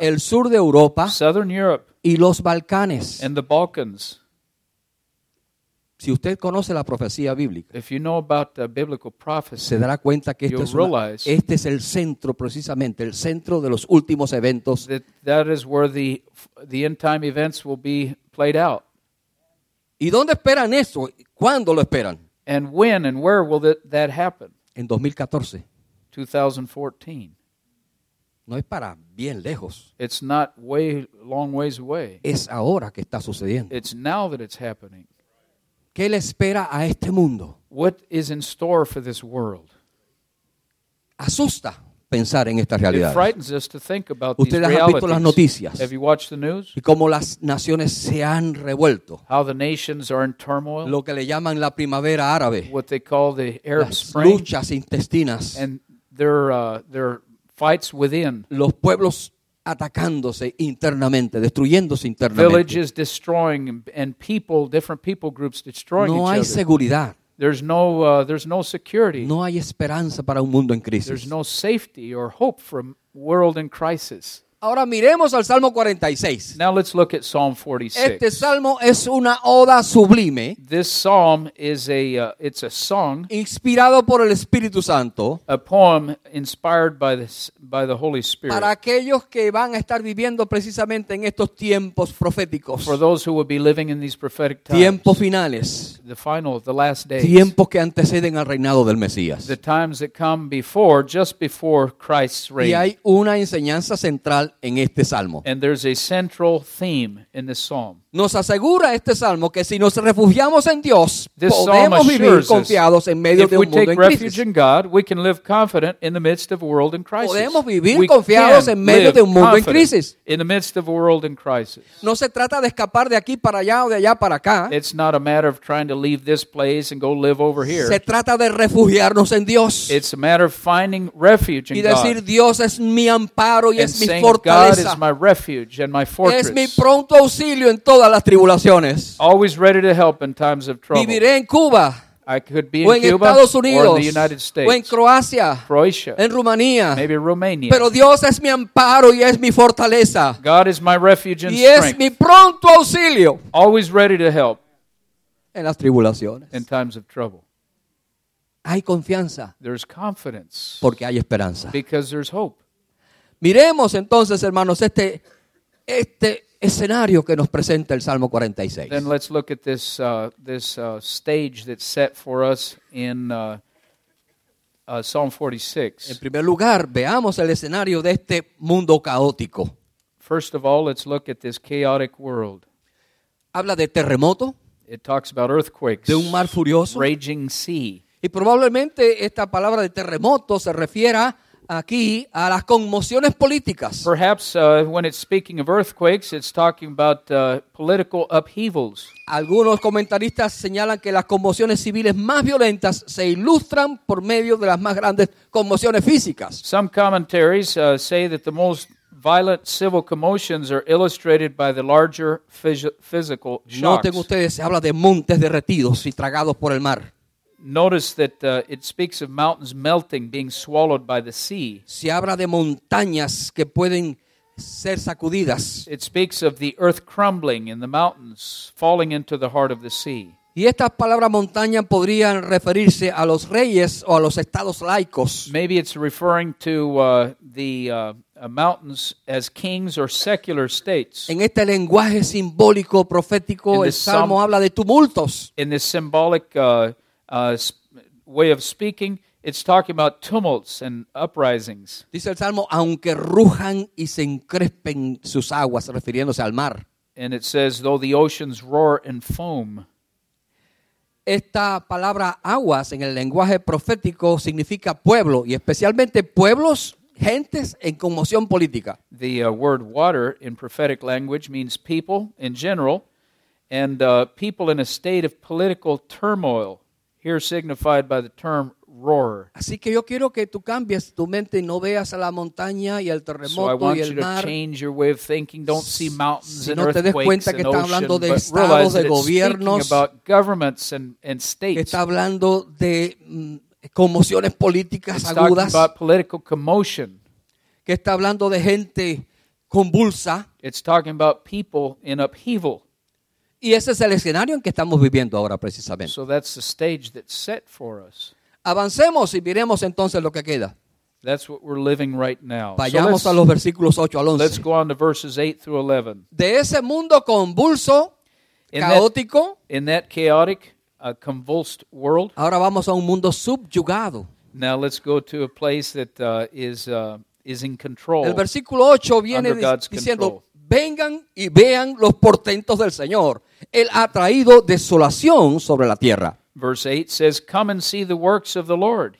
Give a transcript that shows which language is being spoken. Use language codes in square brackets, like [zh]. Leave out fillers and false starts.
[es] el sur de Europa, [en] Southern Europe, [es] y los Balcanes, [en] and the Balkans. [es] Si usted conoce la profecía bíblica, [en] if you know about the biblical prophecy, [es] se dará cuenta que esto es una, este es el centro, precisamente, el centro de los últimos eventos. [en] That is where the end time events will be played out. [es] ¿Y dónde esperan eso? ¿Cuándo lo esperan? [en] And when and where will that happen? [es] En 2014. [en] 2014. [es] No es para bien lejos. [en] It's not way long ways away. [es] Es ahora que está sucediendo. [en] It's now that it's happening. [es] ¿Qué le espera a este mundo? [en] What is in store for this world? [es] Asusta pensar en esta realidad. [en] It frightens us to think about these realities. [es] ¿Ustedes han visto las noticias? [en] Have you watched the news? [es] ¿Y cómo las naciones se han revuelto? [en] How the nations are in turmoil. [es] Lo que le llaman la primavera árabe. [en] What they call the Arab Spring. [es] Las luchas intestinas. [en] And their fights within. [es] Los pueblos atacándose internamente, destruyéndose internamente. [en] Villages destroying and people, different people groups destroying [es] no [en] each [es] hay [en] other. [es] Seguridad. [en] There's no security. [es] No hay esperanza para un mundo en crisis. [en] There's no safety or hope for a world in crisis. [es] Ahora miremos al Salmo 46. [en] Now let's look at Psalm 46. [es] Este salmo es una oda sublime. [en] This psalm is it's a song [es] inspirado por el Espíritu Santo. [en] A poem inspired by the Holy Spirit. [es] Para aquellos que van a estar viviendo precisamente en estos tiempos proféticos. [en] For those who will be living in these prophetic times. [es] Tiempos finales. [en] The final, the last days. [es] Tiempos que anteceden al reinado del Mesías. [en] The times that come before, just before Christ's reign. [es] Y hay una enseñanza central en este salmo. [en] And there's a central theme in this psalm. [es] Nos asegura este salmo que si nos refugiamos en Dios, this podemos vivir confiados en medio de un mundo en crisis. [en] If we take refuge in God, we can live confident in the midst of a world in crisis. [es] Podemos vivir confiados en medio de un mundo en crisis. [en] In the midst of a world in crisis. [es] No se trata de escapar de aquí para allá o de allá para acá. [en] It's not a matter of trying to leave this place and go live over here. [es] Se trata de refugiarnos en Dios. [en] It's a matter of finding refuge in God. [es] Y decir Dios es mi amparo y es mi fortaleza. [en] God is my refuge and my fortress. [es] Es mi pronto auxilio en todo. Las tribulaciones. [en] Always ready to help in times of trouble. [es] Viviré en Cuba. [en] I could be [es] o en Cuba, Estados Unidos. [en] Or in the United States. [es] O en Croacia. [en] Croatia. [es] En Rumanía. [en] Maybe Romania. [es] Pero Dios es mi amparo y es mi fortaleza. [en] God is my refuge and [es] y [en] strength. [es] Es mi pronto auxilio. [en] Always ready to help. [es] En las tribulaciones. [en] In times of trouble. [es] Hay confianza. [en] There's confidence. [es] Porque hay esperanza. [en] Because there's hope. [es] Miremos entonces, hermanos, este escenario que nos presenta el Salmo 46. [en] Then let's look at this stage that's set for us in Psalm 46. [es] En primer lugar, veamos el escenario de este mundo caótico. [en] First of all, let's look at this chaotic world. [es] Habla de terremoto. [en] It talks about earthquakes. [es] De un mar furioso. [en] Raging sea. [es] Y probablemente esta palabra de terremoto se refiera aquí a las conmociones políticas. [en] Perhaps when it's speaking of earthquakes, it's talking about political upheavals. [es] Algunos comentaristas señalan que las conmociones civiles más violentas se ilustran por medio de las más grandes conmociones físicas. [en] Some commentaries say that the most violent civil commotions are illustrated by the larger physical shocks. [es] Noten ustedes, se habla de montes derretidos y tragados por el mar. [en] Notice that it speaks of mountains melting, being swallowed by the sea. [es] Se habla de montañas que pueden ser sacudidas. [en] It speaks of the earth crumbling and the mountains falling into the heart of the sea. [es] Y estas palabras montaña podrían referirse a los reyes o a los estados laicos. [en] Maybe it's referring to mountains as kings or secular states. [es] En este lenguaje simbólico profético, el salmo habla de tumultos. [en] In this symbolic way of speaking, it's talking about tumults and uprisings. [es] Dice el salmo, aunque rujan y se encrespen sus aguas, refiriéndose al mar. [en] And it says, though the oceans roar and foam. [es] Esta palabra aguas en el lenguaje profético significa pueblo, y especialmente pueblos, gentes en conmoción política. [en] The word water in prophetic language means people in general, and people in a state of political turmoil. Here signified by the term roar. [es] Así que yo quiero que tú cambies tu mente y no veas a la montaña y al terremoto y el mar. [en] So I want you to change your way of thinking. Don't see mountains [es] si [en] and earthquakes. [es] Si no te des cuenta que está hablando de estados, de gobiernos. [en] Speaking about governments and states. [es] Está hablando de conmociones políticas agudas. [en] It's talking about political commotion. [es] que está hablando de gente convulsa. [en] It's talking about people in upheaval. [es] Y ese es el escenario en que estamos viviendo ahora precisamente. [en] So that's the stage that's set for us. [es] Avancemos y miremos entonces lo que queda. [en] That's what we're living right now. [es] Vayamos a los versículos 8 al 11. [en] Let's go on to verses 8 through 11. [es] De ese mundo convulso, caótico. [en] In that chaotic, convulsed world. [es] Ahora vamos a un mundo subyugado. [en] Now let's go to a place that is in control. [es] El versículo 8 viene diciendo, vengan y vean los portentos del Señor. Él ha traído desolación sobre la tierra. [en] Verse 8 says, come and see the works of the Lord.